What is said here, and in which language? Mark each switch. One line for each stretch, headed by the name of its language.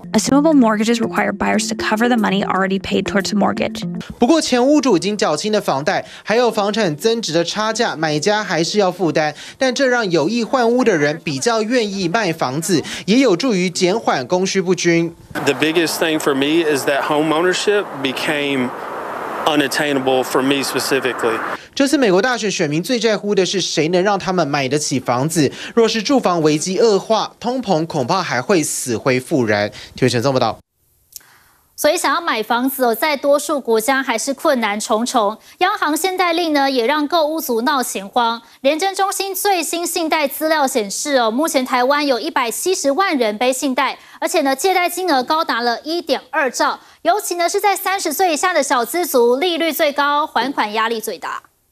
English: Assumable mortgages require buyers to cover the money already paid towards the mortgage.
Chinese: 不过前屋主已经缴清的房贷，还有房产增值的差价，买家还是要负担。但这让有意换屋的人比较愿意卖房子，也有助于减缓供需不均。
English: The biggest thing for me is that home ownership became unattainable for me specifically.
Chinese: 这次美国大选选民最在乎的是谁能让他们买得起房子。若是住房危机恶化，通膨恐怕还会死灰复燃。听陈总报道。所以想要买房子，在多数国家还是困难重重。央行限贷令呢，也让购屋族闹钱荒。联征中心最新信贷资料显示，目前台湾有170万人背信贷，而且呢，借贷金额高达了1.2兆，尤其呢是在30岁以下的小资族，利率最高，还款压力最大。